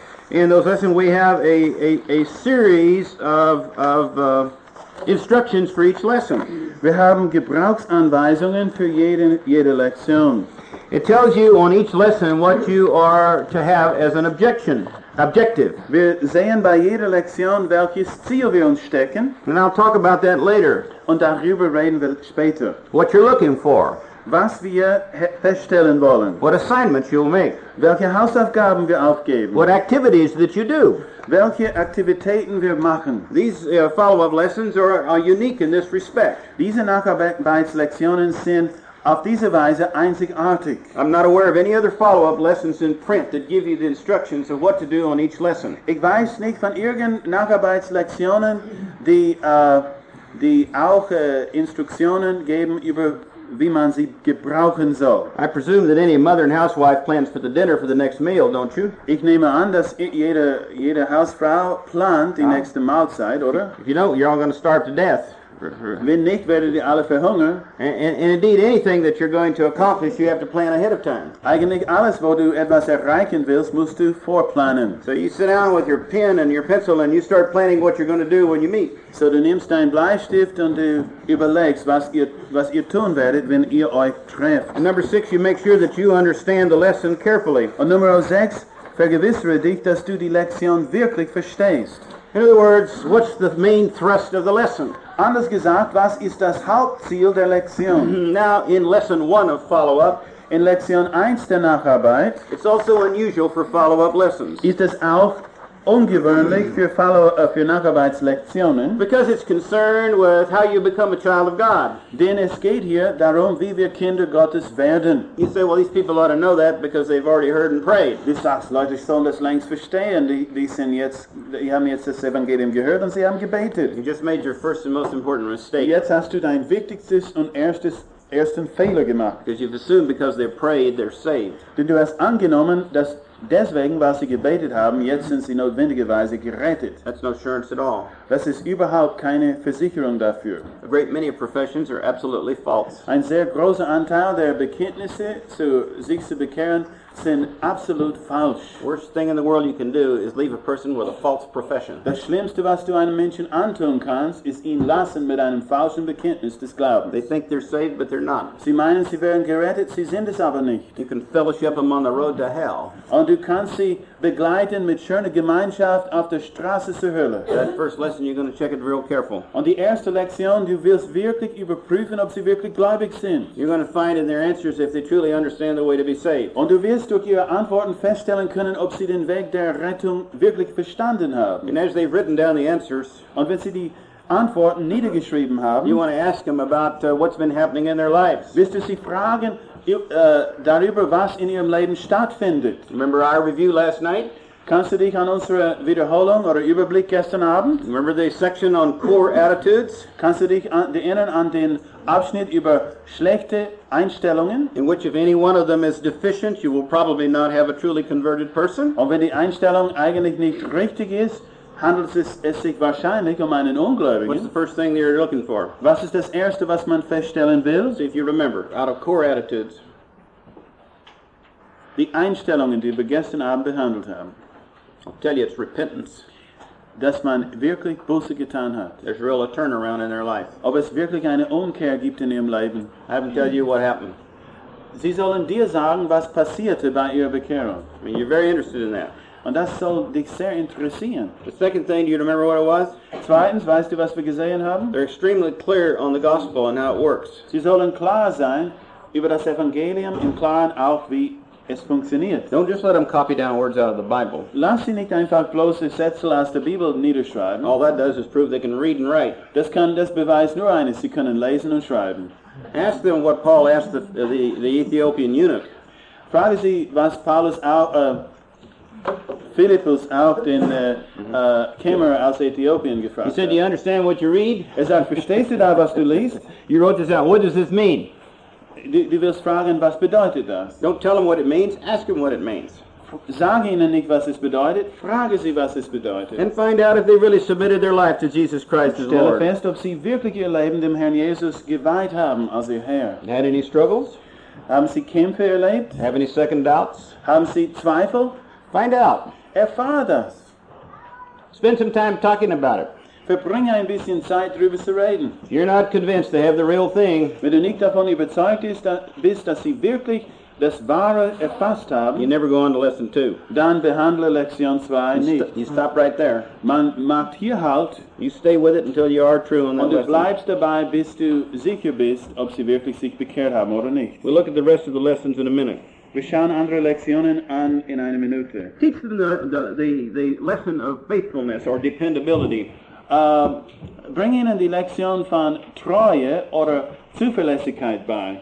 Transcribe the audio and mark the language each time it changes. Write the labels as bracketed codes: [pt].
[en] In those lessons, we have a series of instructions for each lesson. [de] Wir haben Gebrauchsanweisungen für jede Lektion. [en] It tells you on each lesson what you are to have as an objective. [de] Wir sehen bei jeder Lektion, welches Ziel wir uns stecken. [en] And I'll talk about that later. [de] Und darüber reden wir später. [en] What you're looking for. [de] Was wir feststellen wollen. [en] What assignments you'll make. [de] Welche Hausaufgaben wir aufgeben. [en] What activities that you do. [de] Welche Aktivitäten wir machen. [en] These follow-up lessons are unique in this respect. [de] Diese Nacharbeitslektionen sind auf diese Weise einzigartig. [en] I'm not aware of any other follow-up lessons in print that give you the instructions of what to do on each lesson. [de] Ich weiß nicht von irgendeinen Nacharbeitslektionen, die auch Instruktionen geben über wie man sie gebrauchen soll. [en] I presume that any mother and housewife plans for the dinner for the next meal, don't you? [de] Ich nehme an, dass jede Hausfrau plant die nächste Mahlzeit, oder? [en] If you don't, you're all going to starve to death. [de] Wenn nicht, werdet ihr alle verhungern. [en] And indeed, anything that you're going to accomplish, you have to plan ahead of time. [de] Eigentlich alles, wo du etwas erreichen willst, musst du vorplanen. [en] So you sit down with your pen and your pencil and you start planning what you're going to do when you meet. [de] So du nimmst dein Bleistift und du überlegst, was ihr tun werdet, wenn ihr euch trefft. [en] And number six, you make sure that you understand the lesson carefully. [de] Und Nummer sechs, vergewissere dich, dass du die Lektion wirklich verstehst. [en] In other words, what's the main thrust of the lesson? [de] Anders gesagt, was ist das Hauptziel der Lektion? [en] Now, in lesson one of follow-up, [de] in Lektion 1 der Nacharbeit, [en] it's also unusual for follow-up lessons. [de] Ist es auch ungewöhnlich für Nacharbeitslektionen? [en] Because it's concerned with how you become a child of God. [de] Denn es geht hier darum, wie wir Kinder Gottes werden. [en] You say, well, these people ought to know that because they've already heard and prayed. [de] Du sagst, Leute sollen das längst verstehen. Die sind jetzt, die haben jetzt das Evangelium gehört und sie haben gebetet. [en] You just made your first and most important mistake. [de] Jetzt hast du dein wichtigstes und ersten Fehler gemacht. [en] Because you've assumed because they've prayed, they're saved. [de] Denn du hast angenommen, dass deswegen, weil sie gebetet haben, jetzt sind sie notwendigerweise gerettet. [en] That's no assurance at all. [de] Das ist überhaupt keine Versicherung dafür. [en] A great many professions are absolutely false. [de] Ein sehr großer Anteil der Bekenntnisse, sich zu bekehren, sind absolut falsch. [en] Worst thing in the world you can do is leave a person with a false profession. [de] Das Schlimmste, was du einem Menschen antun kannst, ist ihn lassen mit einem falschen Bekenntnis des Glaubens. [en] They think they're saved, but they're not. [de] Sie meinen, sie wären gerettet, sie sind es aber nicht. [en] You can fellowship them on the road to hell. [de] Und du kannst sie begleiten mit schöner Gemeinschaft auf der Straße zur Hölle. [en] That first lesson, you're going to check it real careful. [de] Und die erste Lektion, du wirst wirklich überprüfen, ob sie wirklich gläubig sind. [en] You're going to find in their answers if they truly understand the way to be saved. [de] Und du wirst durch ihre Antworten feststellen können, ob sie den Weg der Rettung wirklich verstanden haben. [en] And as they've written down the answers, [de] und wenn sie die Antworten niedergeschrieben haben, [en] you want to ask them about what's been happening in their lives. [de] Wirst du sie fragen, darüber, was in ihrem Leben stattfindet. [en] Remember our review last night? [de] Kannst du dich an unsere Wiederholung oder Überblick gestern Abend? [en] Remember the section on poor attitudes? [de] Kannst du dich erinnern an den Abschnitt über schlechte Einstellungen? [en] In which if any one of them is deficient, you will probably not have a truly converted person. [de] Und wenn die Einstellung eigentlich nicht richtig ist, handelt es sich wahrscheinlich um einen Ungläubigen. [en] What's the first thing you're looking for? [de] Was ist das Erste, was man feststellen will? [en] See if you remember, out of core attitudes. [de] Die Einstellungen, die wir gestern Abend behandelt haben. [en] I'll tell you, it's repentance. [de] Dass man wirklich Buße getan hat. [en] There's real a turnaround in their life. [de] Ob es wirklich eine Umkehr gibt in ihrem Leben. [en] I haven't told you what happened. [de] Sie sollen dir sagen, was passierte bei ihrer Bekehrung. [en] I mean, you're very interested in that. [de] Und das soll dich sehr interessieren. [en] The second thing, do you remember what it was? [de] Zweitens, weißt du, was wir gesehen haben? [en] They're extremely clear on the gospel and how it works. [de] Sie sollen klar sein über das Evangelium und klar auch, wie es funktioniert. [en] Don't just let them copy down words out of the Bible. [de] Lass sie nicht einfach bloße Sätze aus der Bibel niederschreiben. [en] All that does is prove they can read and write. [de] Das beweist nur eines, sie können lesen und schreiben. [en] Ask them what Paul asked the Ethiopian eunuch. [de] Frage sie, was Paulus auch... Philippus auch den Kämmerer aus Äthiopien gefragt. [en] He said, "Do you understand what you read?" [de] Er sagt, verstehst du da, was du liest? [en] You wrote this out. What does this mean? [de] Du wirst fragen, was bedeutet das? [en] Don't tell him what it means. Ask him what it means. [de] Sag ihnen nicht, was es bedeutet. Frage sie, was es bedeutet. [en] And find out if they really submitted their life to Jesus Christ as Lord. [de] Stell fest, ob sie wirklich ihr Leben dem Herrn Jesus geweiht haben als ihr Herr. [en] Had any struggles? [de] Haben sie Kämpfe erlebt? [en] Have any second doubts? [de] Haben sie Zweifel? [en] Find out. [de] Erfahre das. [en] Spend some time talking about it. [de] Verbringe ein bisschen Zeit drüber zu reden. [en] You're not convinced they have the real thing. [de] Wenn du nicht davon überzeugt bist, dass sie wirklich das Wahre erfasst haben, [en] you never go on to lesson two. [de] Dann behandle Lektion 2 nicht. [en] You stop right there. [de] Man macht hier halt. [en] You stay with it until you are true on that lesson. [de] Und du bleibst dabei, bis du sicher bist, ob sie wirklich sich bekehrt haben oder nicht. [en] We'll look at the rest of the lessons in a minute. [de] Wir schauen andere Lektionen an in einer Minute. [en] Teach them the lesson of faithfulness or dependability. [de] Bring ihnen die Lektion von Treue oder Zuverlässigkeit bei.